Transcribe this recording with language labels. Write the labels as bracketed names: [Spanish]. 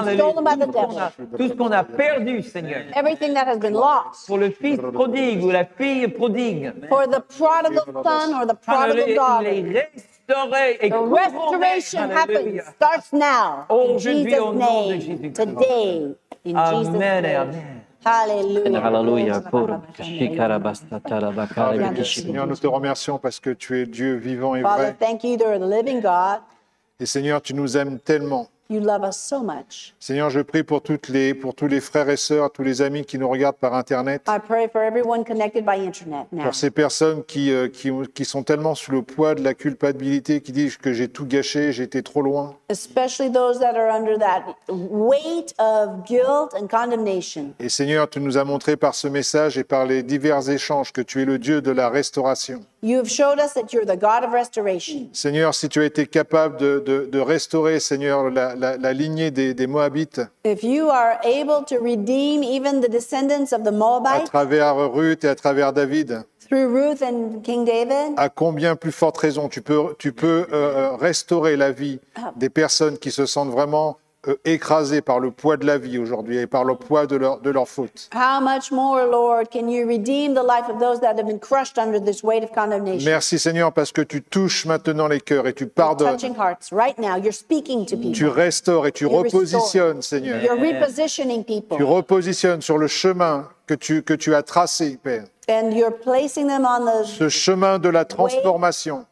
[English] Hallelujah. Stolen by the devil. [French] Tout ce qu'on a perdu, Seigneur. [English] Everything that has been lost. [French] Pour le fils prodigue ou la fille prodigue. [English] For the prodigal son or the prodigal daughter. The restoration happens, starts now. In Jesus' name. Today. In Jesus' name. Amen. Hallelujah. [French] Seigneur, nous te remercions parce que tu es Dieu vivant et vrai. [English] Father, thank you, you're the living God. [French] Et Seigneur, tu nous aimes tellement. [English] You love us so much. [French] Seigneur, je prie pour toutes les pour tous les frères et sœurs, tous les amis qui nous regardent par internet. [English] I pray for everyone connected by internet now. [French] Pour ces personnes qui sont tellement sous le poids de la culpabilité qui disent que j'ai tout gâché, j'étais trop loin. [English] Especially those that are under that weight of guilt and condemnation. [French] Et Seigneur, tu nous as montré par ce message et par les divers échanges que tu es le Dieu de la restauration. [English] You've showed us that you're the God of restoration. [French] Seigneur, si tu as été capable de restaurer, Seigneur, la lignée des Moabites. [English] If you are able to redeem even the descendants of the Moabites. [French] À travers Ruth et à travers David. [English] Through Ruth and King David. [French] À combien plus forte raison tu peux restaurer la vie des personnes qui se sentent vraiment écrasées par le poids de la vie aujourd'hui et par le poids de leur faute. [English] How much more, Lord, can you redeem the life of those that have been crushed under this weight of condemnation? [French] Merci, Seigneur, parce que tu touches maintenant les cœurs et tu pardonnes. [English] You're touching hearts right now. You're speaking to people. [French] Tu restaures et tu repositionnes, Seigneur. [English] You're repositioning people. [French] Tu repositionnes sur le chemin que tu as tracé, Père. [English] And you're placing them on the [French] ce chemin de la transformation.